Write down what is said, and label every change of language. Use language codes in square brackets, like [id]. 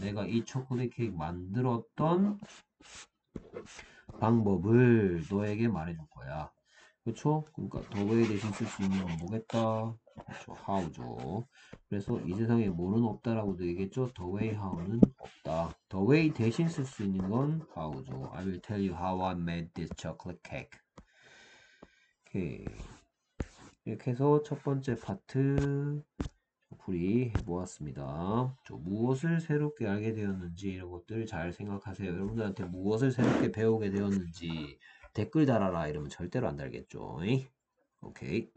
[ko] 내가 이 초콜릿 케이크 만들었던 방법을 너에게 말해줄 거야. 그렇죠? 그러니까 더블에 대신 쓸수 있는 건 뭐겠다? 그렇죠. How죠. 그래서 이 세상에 뭐는 없다라고도 얘기했죠. [en] The way how [ko] 는 없다. The way 대신 쓸수 있는 건 how죠. [en] I will tell you how I made this chocolate cake. [ko] 오케이. 이렇게 해서 첫 번째 파트 풀이 해보았습니다. 저 무엇을 새롭게 알게 되었는지 이런 것들을 잘 생각하세요. 여러분들한테 무엇을 새롭게 배우게 되었는지 댓글 달아라 이러면 절대로 안 달겠죠. 오케이.